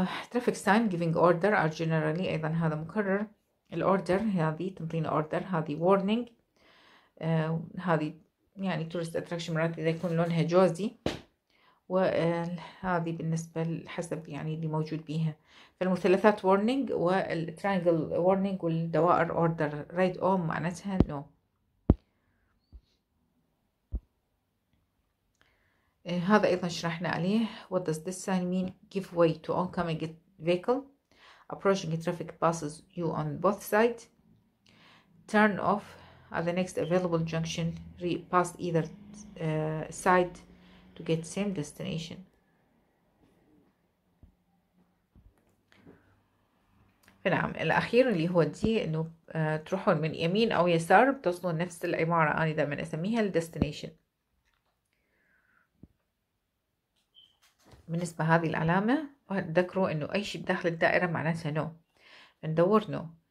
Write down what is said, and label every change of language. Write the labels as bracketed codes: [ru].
[ar] ترافيك ساين جيفينج اوردر ار جنرالي، أيضا هذا مكرر، الاوردر هذه تنطينا اوردر، هذه وورنينج، هذه يعني تورست اتراكشن مرات اذا يكون لونها جوزي، وهذه بالنسبه حسب يعني اللي موجود بيها، فالمثلثات وورنينج والترانجل وورنينج والدوائر اوردر رايت اوم معناتها نو. هذا ايضا شرحنا عليه، [en] what does this sign mean give way to oncoming vehicle approaching traffic passes you on both sides turn off at the next available junction pass either side to get same destination. [ar] فنعم الأخير اللي هو دي إنه تروحون من يمين أو يسار بتوصلون نفس العمارة، أنا دائما أسميها destination. بالنسبة هذه العلامة ذكروا إنه أي شيء بداخل الدائرة معناتها نو، ندور نو.